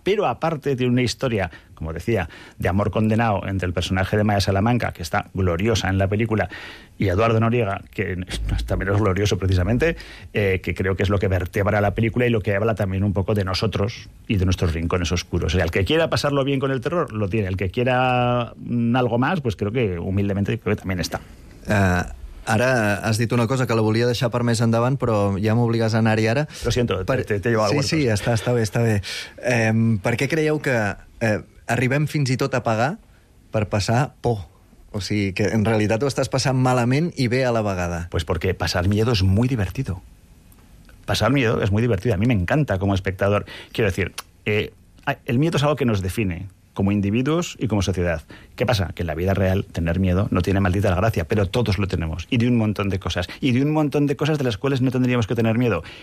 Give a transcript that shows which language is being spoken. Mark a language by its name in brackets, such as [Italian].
[Spanish] Pero aparte tiene una historia, como decía, de amor condenado entre el personaje de Maya Salamanca, que está gloriosa en la película, y Eduardo Noriega, que está menos glorioso precisamente, que creo que es lo que vertebra la película y lo que habla también un poco de nosotros y de nuestros rincones oscuros. O sea, el que quiera pasarlo bien con el terror, lo tiene. El que quiera algo más, pues creo que humildemente creo que también está. [Catalan] Ara has dit una cosa que la volia deixar per més endavant, però ja m'obligues a anar-hi ara. [Spanish] Lo siento, te llevo a la huerta. [Catalan] Sí, està bé. Per què creieu que arribem fins i tot a pagar per passar por? O sigui, que en realitat ho estàs passant malament i bé a la vegada. [Spanish] Pues porque pasar miedo es muy divertido. pasar miedo es muy divertido. A mí me encanta como espectador. Quiero decir, el miedo es algo que nos define como individuos y como sociedad. ¿Qué pasa? Que en la vida real tener miedo no tiene maldita la gracia, pero todos lo tenemos, y de un montón de cosas, y de un montón de cosas de las cuales no tendríamos que tener miedo.